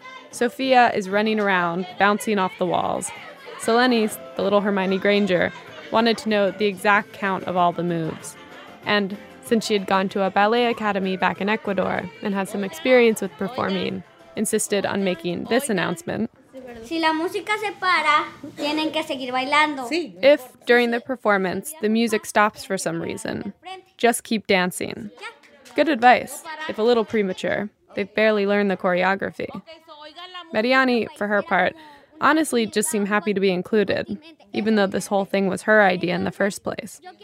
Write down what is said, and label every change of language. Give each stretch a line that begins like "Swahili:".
English: Sophia is running around, bouncing off the walls. Selenis, the little Hermione Granger, wanted to know the exact count of all the moves. And since she had gone to a ballet academy back in Ecuador and had some experience with performing, insisted on making this announcement.
Spanish: Si la música se para, tienen que seguir bailando.
English: If, during the performance, the music stops for some reason, just keep dancing. Good advice, if a little premature. They've barely learned the choreography. Mariani, for her part, honestly just seemed happy to be included, even though this whole thing was her idea in the first place.